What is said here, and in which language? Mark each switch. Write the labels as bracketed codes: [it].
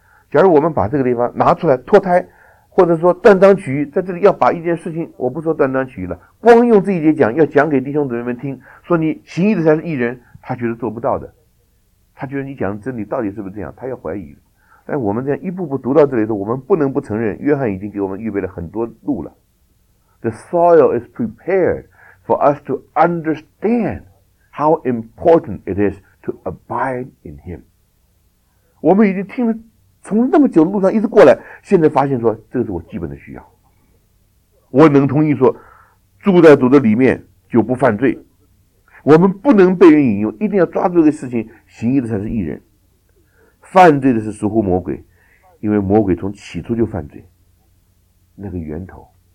[zh] 假如我们把这个地方拿出来脱胎，或者说断章取义，在这里要把一件事情，我不说断章取义了，光用这一节讲，要讲给弟兄姊妹们听，说你行义的才是义人，他觉得做不到的，他觉得你讲的真理到底是不是这样，他要怀疑。但我们这样一步步读到这里的时候，我们不能不承认约翰已经给我们预备了很多路了。 [en] The soil is prepared for us to understand how important it is to abide in Him. [zh] 我们已经听了从那么久的路上一直过来，现在发现说这是我基本的需要。我能同意说住在主的里面就不犯罪，我们不能被人引诱，一定要抓住这个事情，行义的才是义人，犯罪的是属乎魔鬼，因为魔鬼从起初就犯罪，那个源头。